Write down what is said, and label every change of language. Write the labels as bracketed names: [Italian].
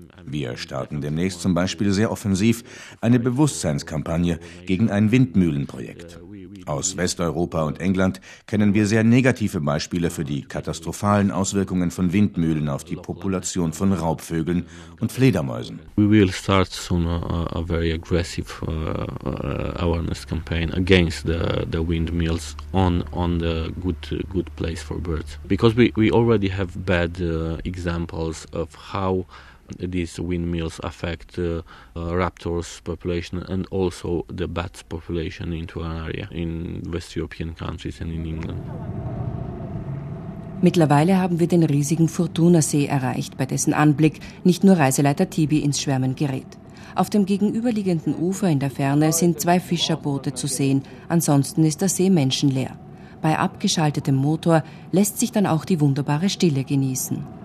[German] Wir starten demnächst zum Beispiel sehr offensiv eine Bewusstseinskampagne gegen ein Windmühlenprojekt. Aus Westeuropa und England kennen wir sehr negative Beispiele für die katastrophalen Auswirkungen von Windmühlen auf die Population von Raubvögeln und Fledermäusen. [English] We will start soon a very aggressive awareness campaign against the windmills on the good place for birds, because we already have bad examples of how these windmills affect raptors population and also the bats population into an area in West European countries and in England. [German] Mittlerweile haben wir den riesigen Fortunasee erreicht, bei dessen Anblick nicht nur Reiseleiter Tibi ins Schwärmen gerät. Auf dem gegenüberliegenden Ufer in der Ferne sind zwei Fischerboote zu sehen, ansonsten ist der See menschenleer. Bei abgeschaltetem Motor lässt sich dann auch die wunderbare Stille genießen.